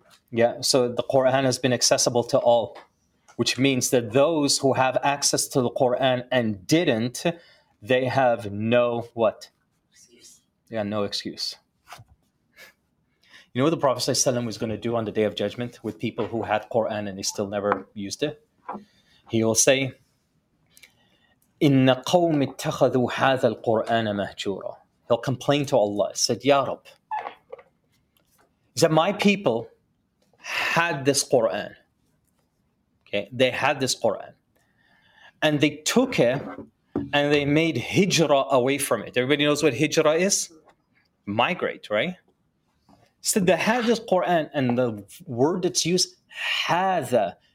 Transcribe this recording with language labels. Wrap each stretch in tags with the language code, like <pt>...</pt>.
<en>Yeah, so the Quran has been accessible to all. Which means that those who have access to the Quran and didn't, they have no what? Excuse. Yeah, no excuse. You know what the Prophet ﷺ was going to do on the Day of Judgment with people who had Quran and they still never used it? He will say,</en> <ar>إِنَّ قَوْمِ اتَّخَذُوا هَذَا الْقُرْآنَ مَهْجُورًا.</ar> <en>He'll complain to Allah. He said, Ya Rab, that my people had this Quran. They had this Quran, and they took it, and they made hijrah away from it. Everybody knows what hijrah is? Migrate, right? So they had this Quran, and the word that's used, hadha.</en>